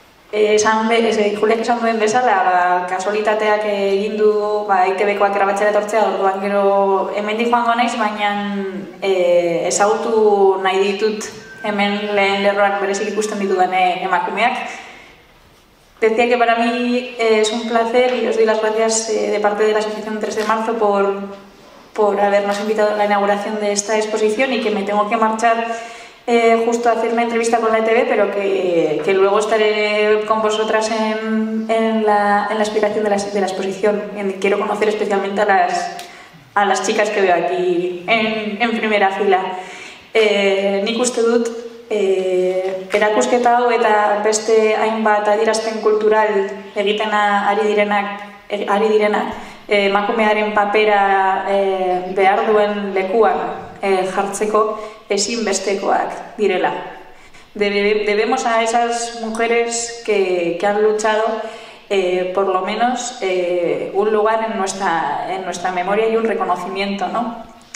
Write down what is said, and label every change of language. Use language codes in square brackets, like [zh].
[eu] Juliak esan duen bezala, kasualitateak egin du ITB-koak erabatzera etortzea, orduan gero hemen joango naiz, baina ezagutu nahi ditut hemen lehen lerroak berezik ikusten ditudan emakumeak. [es] Decía que para mí es un placer y os doy las gracias de parte de la Asociación 3 de Marzo por habernos invitado a la inauguración de esta exposición y que me tengo que marchar justo a hacer una entrevista con la ETV, pero que luego estaré con vosotras en la explicación de la exposición. Quiero conocer especialmente a las chicas que veo aquí en primera fila. [eu] Nik uste dut, erakusketa hau eta beste hainbat adierazpen kultural egiten ari direna emakumearen papera behar duen lekuan jartzeko ezinbestekoak direla. [es] Debemos a esas mujeres que han luchado por lo menos un lugar en nuestra memoria y un reconocimiento, ¿no?